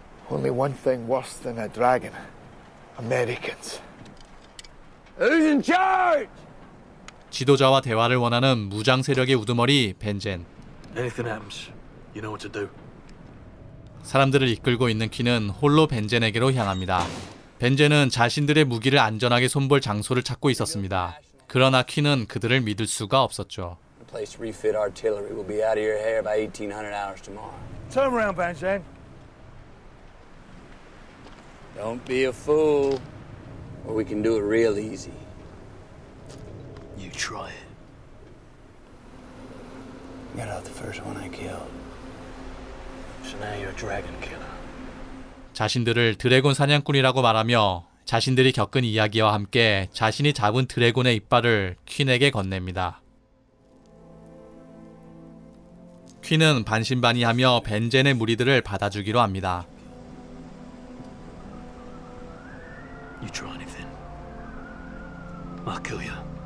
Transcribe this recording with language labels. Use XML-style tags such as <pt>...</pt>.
<en>Only one thing worse than a dragon. Americans. Who's in charge?</en> <ko>지도자와 대화를 원하는 무장 세력의 우두머리 벤젠.</ko> <en>Anything happens, you know what to do.</en> <ko>사람들을 이끌고 있는 퀸은 홀로 벤젠에게로 향합니다. 벤젠은 자신들의 무기를 안전하게 손볼 장소를 찾고 있었습니다. 그러나 퀸은 그들을 믿을 수가 없었죠.</ko> <en>The place to refit artillery will be out of your hair by 1800 hours tomorrow. Turn around, Benjen. Don't be a fool, or we can do it real easy. You try it. Get out the first one I kill. So now you're a dragon killer.</en> <ko>자신들을 드래곤 사냥꾼이라고 말하며 자신들이 겪은 이야기와 함께 자신이 잡은 드래곤의 이빨을 퀸에게 건넵니다. 퀸은 반신반의하며 벤젠의 무리들을 받아주기로 합니다.</ko> <en>You try anything, I'll kill you.</en>